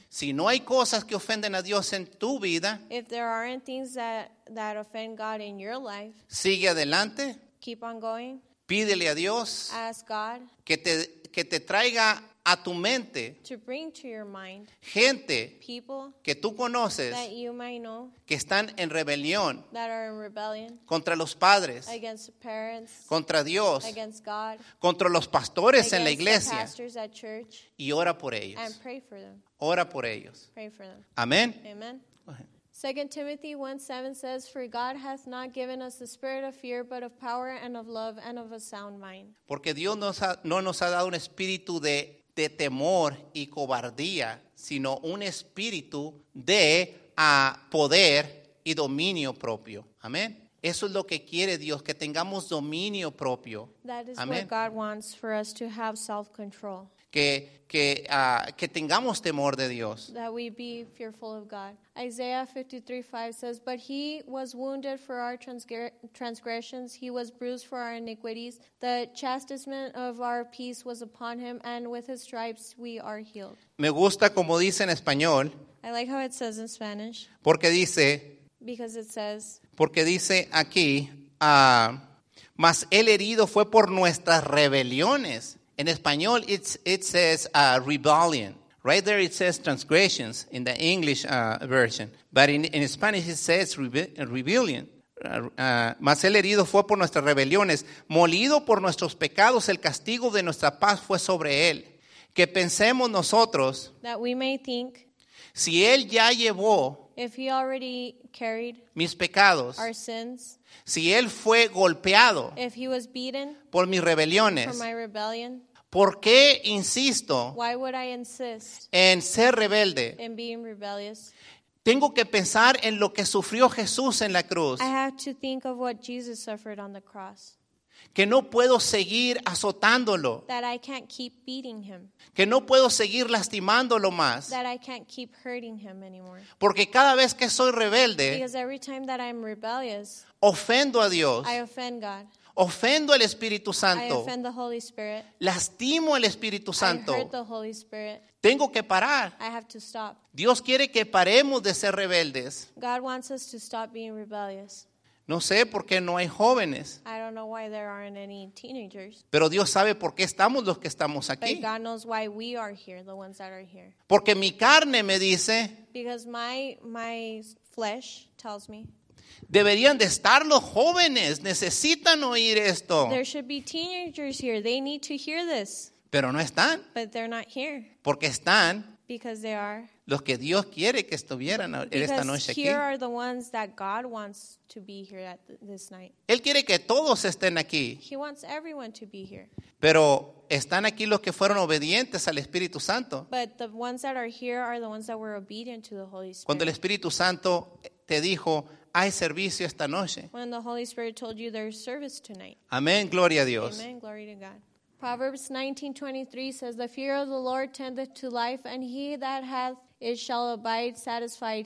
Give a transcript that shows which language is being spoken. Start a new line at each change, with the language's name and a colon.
Spanish: Si no hay cosas que ofenden a Dios en tu vida,
English: if there aren't things that offend God in your life,
Spanish: sigue adelante,
English: keep on going,
Spanish: Pídele a Dios que te traiga a tu mente
English: to bring to your mind
Spanish: gente
English: people
Spanish: que tú conoces
English: that you might know
Spanish: que están en rebelión
English: that are in rebellion
Spanish: contra los padres,
English: against parents,
Spanish: contra Dios,
English: against God,
Spanish: contra los pastores en la iglesia,
English: against the pastors at church,
Spanish: y ora por ellos.
English: And pray for them.
Spanish: Ora por ellos.
English: Pray for them.
Spanish: Amén.
English: Amen. 2 Timothy 1:7 says, "For God hath not given us the spirit of fear, but of power and of love and of a sound mind."
Spanish: Porque Dios no nos ha dado un espíritu de temor y cobardía, sino un espíritu de poder y dominio propio. Amén. Eso es lo que quiere Dios, que tengamos dominio propio.
English: That is Amén. What God wants for us to have self-control.
Spanish: Que tengamos temor de Dios.
English: That we be fearful of God. Isaiah 53:5 says, "But he was wounded for our transgressions; he was bruised for our iniquities. The chastisement of our peace was upon him, and with his stripes we are healed."
Spanish: Me gusta como dice en español.
English: I like how it says in Spanish.
Spanish: Porque dice.
English: Because it says.
Spanish: Porque dice aquí, "Mas el herido fue por nuestras rebeliones."
English: In español, it says rebellion. Right there it says transgressions in the English version. But in Spanish it says rebellion.
Spanish: Mas el herido fue por nuestras rebeliones. Molido por nuestros pecados, el castigo de nuestra paz fue sobre él. Que pensemos nosotros.
English: That we may think.
Spanish: Si él ya llevó.
English: If he already carried.
Spanish: Mis pecados.
English: Our sins.
Spanish: Si él fue golpeado.
English: If he was beaten.
Spanish: Por mis rebeliones.
English: For my rebellion.
Spanish: ¿Por qué insisto
English: Why would I insist
Spanish: en ser rebelde?
English: In being rebellious?
Spanish: Tengo que pensar en lo que sufrió Jesús en la cruz.
English: I have to think of what Jesus suffered on the cross.
Spanish: Que no puedo seguir azotándolo.
English: That I can't keep beating him.
Spanish: Que no puedo seguir lastimándolo más.
English: That I can't keep hurting him anymore.
Spanish: Porque cada vez que soy rebelde,
English: Because every time that I'm rebellious,
Spanish: ofendo a Dios.
English: I offend God.
Spanish: Ofendo al Espíritu Santo.
English: I offend the Holy Spirit.
Spanish: Lastimo al Espíritu Santo.
English: I hurt the Holy Spirit.
Spanish: Tengo que parar.
English: I have to stop.
Spanish: Dios quiere que paremos de ser rebeldes.
English: God wants us to stop being rebellious.
Spanish: No sé por qué no hay jóvenes.
English: I don't know why there aren't any teenagers.
Spanish: Pero Dios sabe por qué estamos los que estamos aquí.
English: But God knows why we are here, the ones that are here.
Spanish: Porque mi carne me dice.
English: Because my flesh tells me.
Spanish: Deberían de estar los jóvenes, necesitan oír esto.
English: There should be teenagers here, they need to hear this.
Spanish: Pero no están.
English: But they're not here.
Spanish: Porque están.
English: Because they are.
Spanish: Los que Dios quiere que estuvieran
English: Because
Spanish: esta noche aquí.
English: Here are the ones that God wants to be here at this night.
Spanish: Él quiere que todos estén aquí.
English: He wants everyone to be here.
Spanish: Pero están aquí los que fueron obedientes al Espíritu Santo.
English: But the ones that are here are the ones that were obedient to the Holy Spirit.
Spanish: Cuando el Espíritu Santo te dijo hay servicio esta noche.
English: When the Holy Spirit told you there's service tonight.
Spanish: Amén, gloria a Dios.
English: Amen, glory to God. Proverbs 19:23 says, "The fear of the Lord tendeth to life, and he that hath it shall abide satisfied.